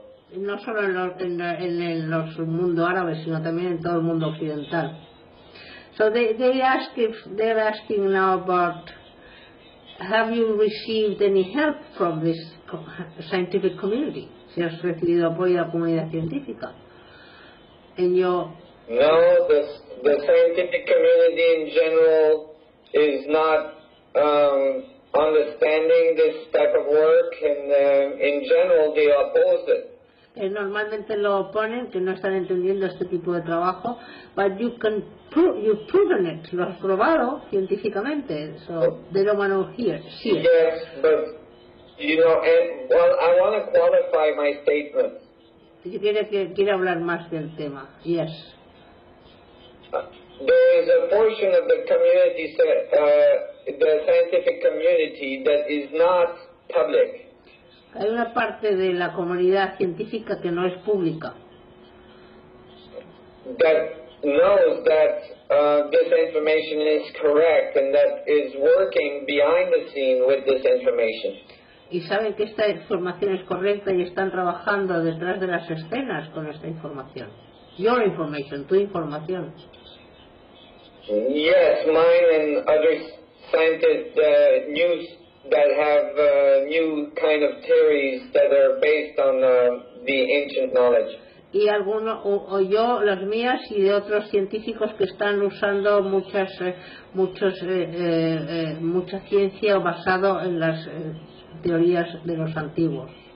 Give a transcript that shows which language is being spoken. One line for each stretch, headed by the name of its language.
Spanish: No solo en el mundo árabe, sino también en todo el mundo occidental.
English: So they're asking now about, have you received any help from this scientific community?
Spanish: Si has recibido apoyo de la comunidad científica.
English: No, the scientific community in general is not understanding this type of work, and in general they oppose it.
Spanish: Normalmente lo oponen, que no están entendiendo este tipo de trabajo,
English: but you've proven it,
Spanish: lo has probado científicamente,
English: so they don't want to hear it. Yes, but you know, and well, I want to qualify my statement.
Spanish: ¿Quiere hablar más del tema?
English: Yes. There is a portion of the community, the scientific community, that is not public.
Spanish: Hay una parte de la comunidad científica que no es pública.
English: That knows that this information is correct and that is working behind the scene with this information.
Spanish: Y saben que esta información es correcta y están trabajando detrás de las escenas con esta información.
English: Your information,
Spanish: tu información.
English: Yes, mine and other scientists, news that have new kind of theories that are based on the ancient knowledge.
Spanish: Y alguno, o yo, las mías y de otros científicos que están usando mucha ciencia basado en las teorías de los antiguos.